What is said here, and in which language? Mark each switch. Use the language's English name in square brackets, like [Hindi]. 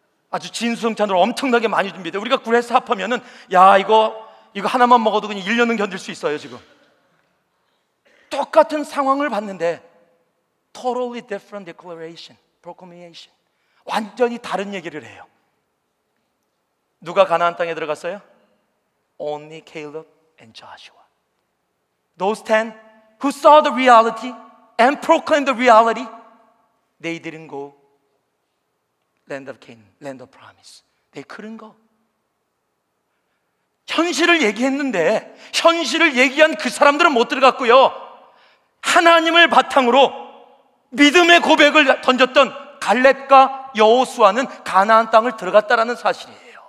[Korean] 아주 진수성찬으로 엄청나게 많이 준비돼. 우리가 그래서 합하면은 야, 이거 하나만 먹어도 그냥 1년은 견딜 수 있어요, 지금. 똑같은 상황을 봤는데 [English] totally different declaration, proclamation. [Korean] 완전히 다른 얘기를 해요. 누가 가나안 땅에 들어갔어요? [English] Only Caleb and Joshua. Those ten who saw the reality and proclaimed the reality, they didn't go land of Canaan, land of promise. They couldn't go. [Korean] 현실을 얘기했는데 현실을 얘기한 그 사람들은 못 들어갔고요, 하나님을 바탕으로 믿음의 고백을 던졌던 갈렙과 여호수아는 가나안 땅을 들어갔다라는 사실이에요.